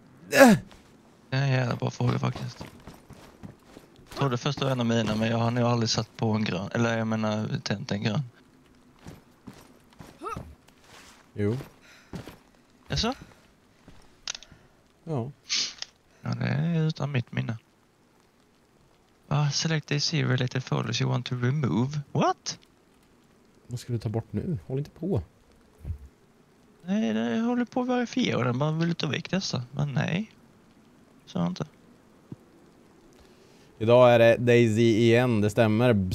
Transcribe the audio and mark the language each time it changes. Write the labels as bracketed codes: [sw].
[sv] Nej, det är en bra fråga faktiskt. Jag trodde först var en av mina, men jag har nog aldrig satt på en grön. Eller jag menar, tänt en grön. Jo. Jaså? Ja. Ja, det är utan mitt minne. [en] Select AC related folders you want to remove. What? [sv] Vad ska du ta bort nu? Håll inte på. Nej, jag håller på att verifiera den. Man vill ta väck dessa, men nej. Inte. Idag är det Daisy igen, det stämmer.